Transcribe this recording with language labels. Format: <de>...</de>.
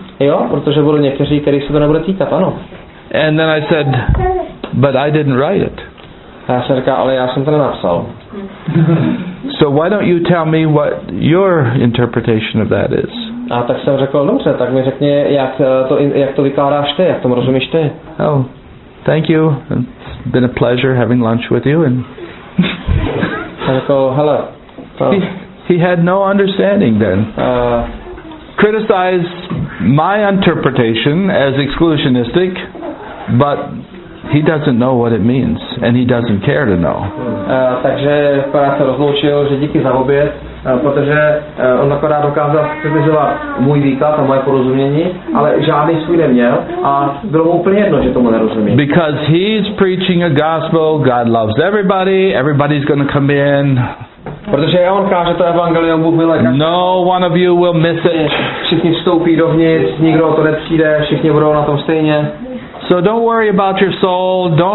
<cs>Jo, protože budou někteří, kterých se to nebude týkat, ano.</cs> <en>And then I said, but I didn't write it.</en> <cs>A já jsem říkal, ale já jsem to nenapsal.</cs> <en>So why don't you tell me what your interpretation of that is?</en> <cs>A tak jsem řekl, dobře, tak mi řekni, jak to vykládáš ty, jak tomu rozumíš ty.</cs> <en>Oh. Thank you. It's been a pleasure having lunch with you. And hello. He had no understanding then. Criticized my interpretation as exclusionistic, but he doesn't know what it means, and he doesn't care to know.</en> <cs>Takže akorát se rozloučil, že díky za oběd, protože on akorát dokázal kritizovat můj výklad a moje porozumění, ale žádný svůj neměl a bylo mu úplně jedno, že tomu nerozumí.</cs> <en>Because he's preaching a gospel, God loves everybody, everybody's going to come in.</en> <cs>Protože on káže to evangelium, Bůh miluje.</cs> <en>No one of you will miss it.</en> <cs>Všichni vstoupí dovnitř, nikdo to nepřijde, všichni budou na tom stejně.</cs> <en>So don't worry about your soul.</en>